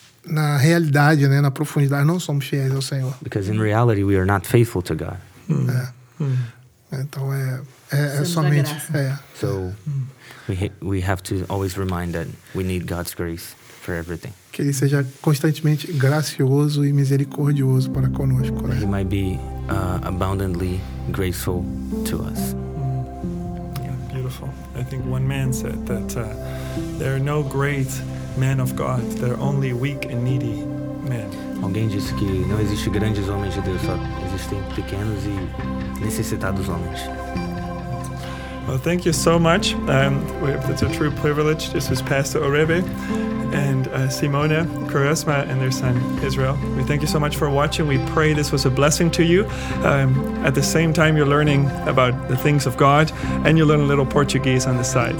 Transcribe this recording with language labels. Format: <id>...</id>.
<pt>Na realidade, né, na profundidade, não somos fiéis ao Senhor.</pt> <en>Because in reality, we are not faithful to God.</en> <pt>Então é somente fé.</pt> <en>So we have to always remind that we need God's grace for everything.</en> <pt>Que ele seja constantemente gracioso e misericordioso para conosco.</pt> <en>He might be abundantly graceful to us. Beautiful. I think one man said that there are no great men of God. There are only weak and needy men.</en> <pt>Alguém disse que não existe grandes homens de Deus, só existem pequenos e necessitados homens.</pt> <en>Well, thank you so much. It's a true privilege. This is Pastor Orebe and Simona, Quaresma, and their son, Israel. We thank you so much for watching. We pray this was a blessing to you. At the same time, you're learning about the things of God, and you learn a little Portuguese on the side.</en>